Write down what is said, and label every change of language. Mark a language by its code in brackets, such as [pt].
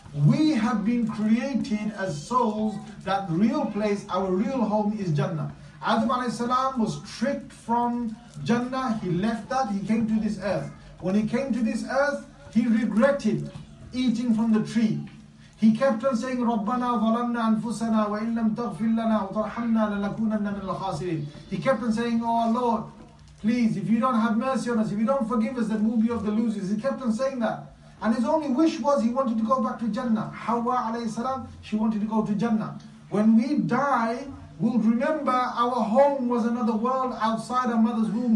[en] We have been created as souls, that real place, our real home is Jannah. Adam alayhi salam was tricked from Jannah, he left that, he came to this earth. When he came to this earth, he regretted eating from the tree. He kept on saying, [ar] رَبَّنَا ظَلَمْنَا أَنفُسَنَا وَإِن لَمْ تَغْفِرْ لَنَا وَتَرْحَمْنَا لَنَكُونَنَّ مِنَ الْخَاسِرِينَ. [en] He kept on saying, oh Lord, please, if you don't have mercy on us, if you don't forgive us, then we'll be of the losers. He kept on saying that. And his only wish was he wanted to go back to Jannah. Hawa alayhi salam, she wanted to go to Jannah. When we die, we'll remember our home was another world outside our mother's womb.